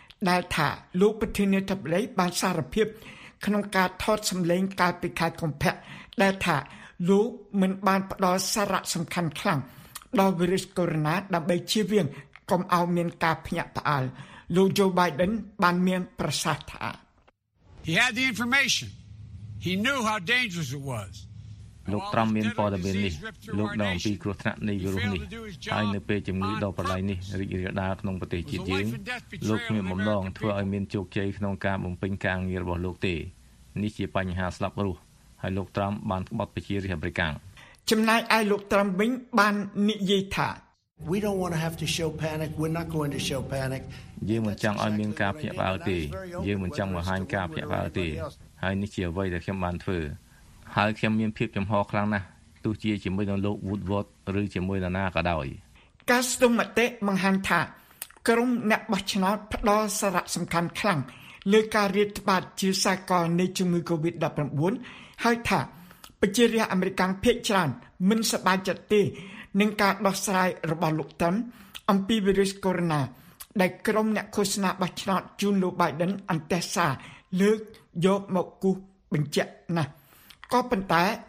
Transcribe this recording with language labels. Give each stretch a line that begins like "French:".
Khmer: ដែលថាលោកប្រធានាធិបតីបានសារភាពក្នុងការថតសម្លេងកាលពីខែកុម្ភៈដែលថាលោកមិនបានផ្ដល់សារៈសំខាន់ខ្លាំងដល់វីរុសកូវីដ-19ដើម្បីជៀសវាងកុំឲ្យមានការភ្ញាក់ផ្អើលលោក Joe Biden បានមានប្រសាសន៍ថា
English: He had the information. He knew how dangerous it was.
Khmer: លោកត្រាំមានព័ត៌មាននេះលោកដឹងអំពីគ្រោះថ្នាក់នៃវីរុសនេះហើយនៅពេលជំងឺដល់ប្រឡាយនេះរីករាលដាលក្នុងប្រទេសជាតិយើងលោកមានបំណងធ្វើឲ្យមានជោគជ័យក្នុងការបំពេញការងាររបស់លោកទេនេះជាបញ្ហាស្លាប់រស់ហើយលោកត្រាំបានក្បត់ប្រជារាស្ត្រអាមេរិក ចំណែកឯលោកត្រាំវិញបាននិយាយថា
English: We don't want to have to show panic. We're not going to show panic.
Khmer: យើងមិនចង់ឲ្យមានការភ័យបារម្ភទេយើងមិនចង់បង្ហាញការភ័យបារម្ភទេហើយនេះជាអ្វីដែលខ្ញុំបានធ្វើហើយខ្ញុំមានភាពចំហខ្លាំងណាស់ទោះជាជាមួយនឹងលោក Woodward ឬជាមួយនរណាក៏ដោយ កាស្ទុំមតិបង្ហាញថាក្រុមអ្នកបោះឆ្នោតផ្ដល់សារៈសំខាន់ខ្លាំងលើការរៀបត្បាតជាសកលនៃជំងឺ COVID-19 ហើយថាប្រជារាស្ត្រអាមេរិកភាគច្រើនមិនសប្បាយចិត្តទេនឹងការដោះស្រាយរបស់លោកតាំអំពីវីរុសកូវីដ-19ដែលក្រុមអ្នកឃោសនាបោះឆ្នោតជូនលោក Biden អន្តេសាលើកយកមកគូសបញ្ជាក់ណាស់ក៏ប៉ុន្តែ